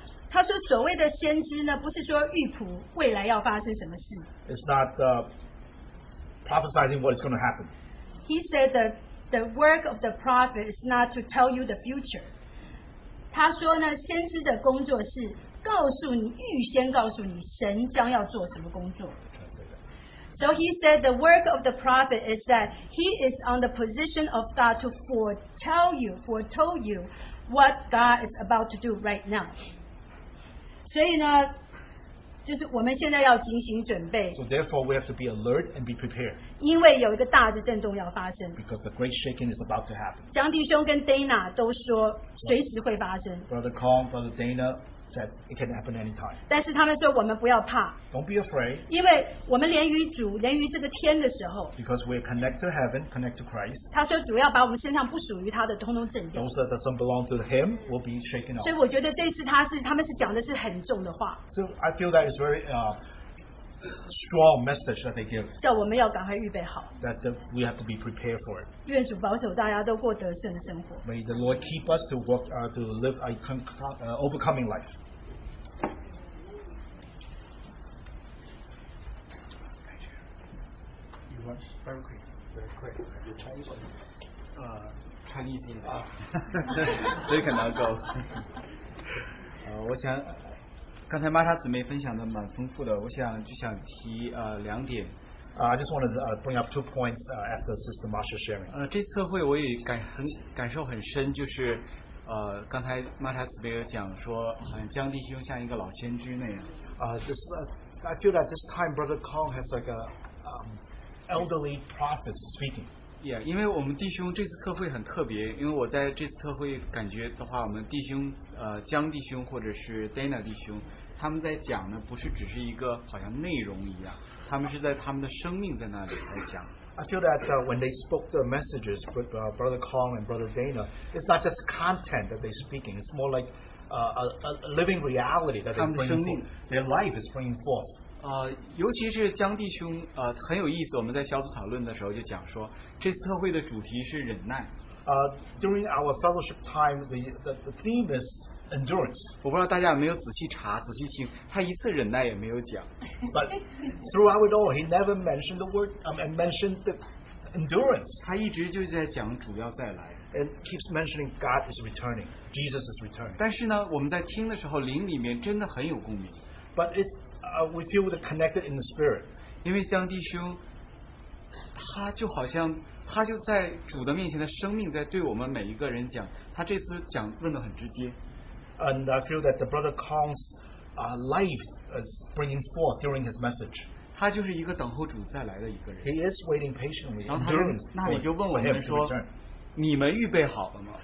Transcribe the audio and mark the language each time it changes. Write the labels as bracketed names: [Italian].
[Chinese] 他说所谓的先知呢，不是说预卜未来要发生什么事。 [English] It's not prophesizing what is going to happen. He said the work of the prophet is not to tell you the future. [Chinese] 他说呢，先知的工作是告诉你，预先告诉你神将要做什么工作。 [English] So he said the work of the prophet is that he is on the position of God to foretell you, foretold you what God is about to do right now. [Chinese] 所以呢，就是我们现在要警醒准备。 [English] So therefore we have to be alert and be prepared. [Chinese] 因为有一个大的震动要发生。 [English] Because the great shaking is about to happen. [Chinese] 江弟兄跟 Dana 都说随时会发生。 [English] Brother Kong, Brother Dana said it can happen anytime. [Chinese] 但是他们说我们不要怕。 [English] Don't be afraid. [Chinese] 因为我们连于主，连于这个天的时候。 [English] Because we're connected to heaven, connected to Christ. [Chinese] 他说主要把我们身上不属于他的通通震动。 [English] Those that doesn't belong to him will be shaken off. [Chinese] 所以我觉得这次他们是讲的是很重的话。 [English] So I feel that is very strong message that they give. [Chinese] 叫我们要赶快预备好。 [English] That we have to be prepared for it. [Chinese] 愿主保守大家都过得胜的生活。 [English] May the Lord keep us to work to live a overcoming life. You want very quick. Your Chinese one. Chinese in. So you can now go. [Chinese] 我想。刚才玛莎姊妹分享的蛮丰富的，我想就想提两点。 [English] I just want to bring up two points after Sister Marsha sharing. [Chinese] 这次特会我也感受很深，就是刚才玛莎姊妹有讲说，江弟兄像一个老先知那样。 [English] I feel that this time Brother Kong has like a elderly prophet speaking. [Chinese] Yeah, 因为我们弟兄这次特会很特别，因为我在这次特会感觉的话，我们弟兄。江弟兄或者是 Dana 弟兄，他们在讲呢，不是只是一个好像内容一样，他们是在他们的生命在那里在讲。 [English] I feel that when they spoke the messages, with Brother Kong and Brother Dana, it's not just content that they're speaking; it's more like a living reality that they bring forth. Their life is bringing forth. [Chinese] 尤其是江弟兄，很有意思。我们在小组讨论的时候就讲说，这次特会的主题是忍耐。 [English] During our fellowship time, the theme is endurance. [Chinese] 我不知道大家有没有仔细查、仔细听，他一次忍耐也没有讲。 [English] But throughout it all, he never mentioned the word and mentioned the endurance. [Chinese] 他一直就在讲主要再来。 [English] And keeps mentioning God is returning, Jesus is returning. [Chinese] 但是呢，我们在听的时候，灵里面真的很有共鸣。 [English] But it we feel the connected in the spirit. [Chinese] 因为江弟兄，他就好像。他就在主的面前的生命在对我们每一个人讲他这次讲问得很直接 [English] and I feel that the brother Kong's life is bringing forth during his message [Chinese] 他就是一个等候主再来的一个人 [English] he is waiting patiently [Chinese] 然后那你就问我们说你们预备好了吗